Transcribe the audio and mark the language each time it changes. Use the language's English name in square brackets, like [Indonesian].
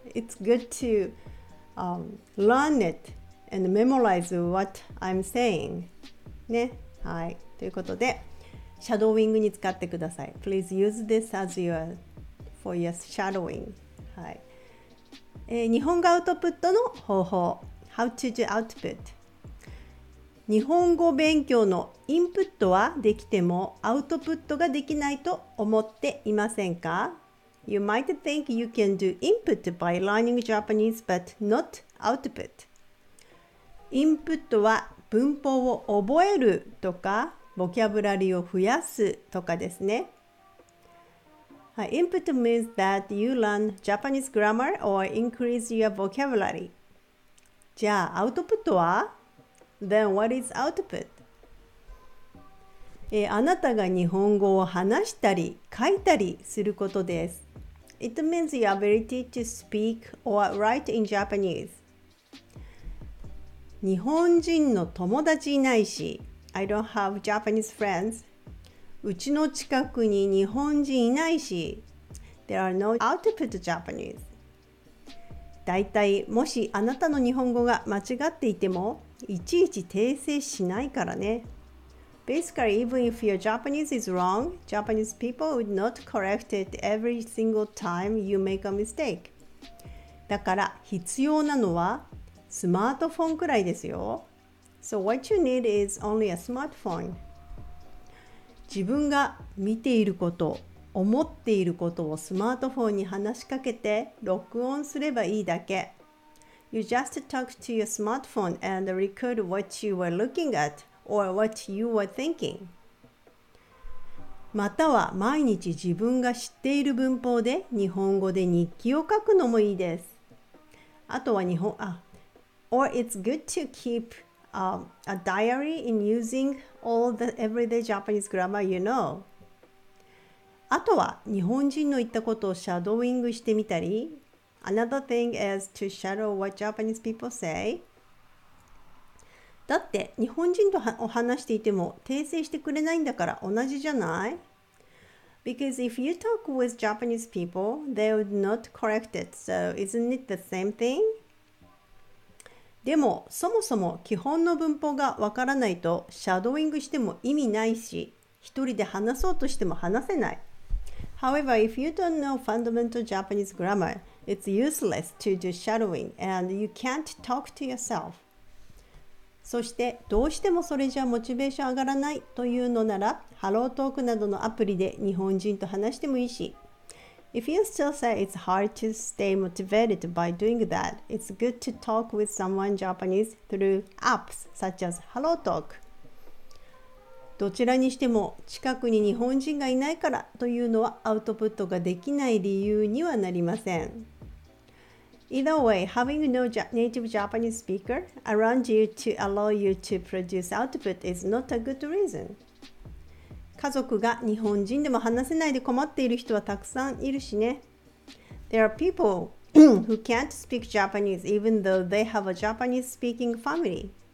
[English] It's good to learn it and memorize what I'm saying. [Japanese] ね、はい、ということで、シャドーイングに使ってください。 [English] Please use this as your for your shadowing. [Japanese] はい。日本語アウトプットの方法。 [English] How to do output? [Japanese] 日本語勉強のインプットはできてもアウトプットができないと思っていませんか? [English] You might think you can do input by learning Japanese but not output. [Japanese] インプットは文法を覚えるとかボキャブラリーを増やすとかですね。 [English] Input means that you learn Japanese grammar or increase your vocabulary. [Japanese] じゃあ、アウトプットは? [English] Then what is output? [Japanese] あなたが日本語を話したり書いたりすることです。 [English] It means your ability to speak or write in Japanese. [Japanese] 日本人の友達いないし、 [English] I don't have Japanese friends. [Japanese] うちの近くに日本人いないし、 [English] There are no output Japanese. [Japanese] だいたいもしあなたの日本語が間違っていてもいちいち訂正しないからね。 [English] Basically, even if your Japanese is wrong, Japanese people would not correct it every single time you make a mistake. [Japanese] だから必要なのはスマートフォンくらいですよ。 [English] So what you need is only a smartphone. [Japanese] 自分が見ていること、思っていることをスマートフォンに話しかけて録音すればいいだけ。 [English] You just talk to your smartphone and record what you were looking at or what you were thinking. [Japanese] または毎日自分が知っている文法で日本語で日記を書くのもいいです。あとは日本、 [English] Or it's good to keep a diary in using all the everyday Japanese grammar you know. [Japanese] あとは日本人の言ったことをシャドーイングしてみたり。 [English] Another thing is to shadow what Japanese people say. [Japanese] だって日本人とお話していても訂正してくれないんだから同じじゃない？ [English] Because if you talk with Japanese people, they would not correct it. So isn't it the same thing? [Japanese] でもそもそも基本の文法がわからないとシャドーイングしても意味ないし、一人で話そうとしても話せない。 [English] However, if you don't know fundamental Japanese grammar, it's useless to do shadowing and you can't talk to yourself. [Japanese] そしてどうしてもそれじゃモチベーション上がらないというのなら、ハロートークなどのアプリで日本人と話してもいいし。 [English] If you still say it's hard to stay motivated by doing that, it's good to talk with someone Japanese through apps such as HelloTalk. [Japanese] どちらにしても近くに日本人がいないからというのはアウトプットができない理由にはなりません。 [English] Either way, having no native Japanese speaker around you to allow you to produce output is not a good reason. [Japanese] 家族が日本人でも話せないで困っている人はたくさんいるしね。 [English] There are people who can't speak Japanese even though they have a Japanese speaking family.